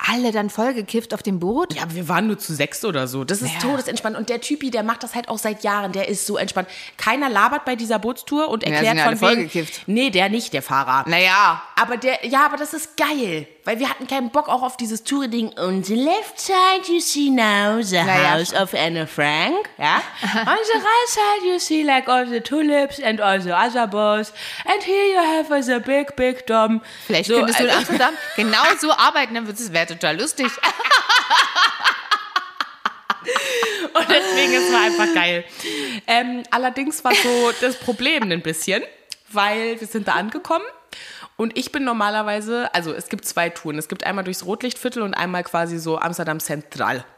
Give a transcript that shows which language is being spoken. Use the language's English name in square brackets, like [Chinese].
[German] alle dann voll gekifft auf dem Boot? Ja, wir waren nur zu sechs oder so. Das ist todesentspannt. Und der Typi, der macht das halt auch seit Jahren. Der ist so entspannt. Keiner labert bei dieser Bootstour und erklärt von wegen. Wir sind voll gekifft. Nee, der nicht, der Fahrer. Naja. Aber der, ja, aber das ist geil. Weil wir hatten keinen Bock auch auf dieses Touring-Ding. [English] On the left side you see now the house of Anne Frank. Ja. On the right side you see like all the tulips and all the other boats. And here you have the big, big dom. [German] Vielleicht so, könntest du in Amsterdam genau so arbeiten, dann wäre total lustig. Und deswegen ist es einfach geil. Allerdings war so das Problem ein bisschen, weil wir sind da angekommen. Und ich bin normalerweise, also es gibt zwei Touren. Es gibt einmal durchs Rotlichtviertel und einmal quasi so Amsterdam Central.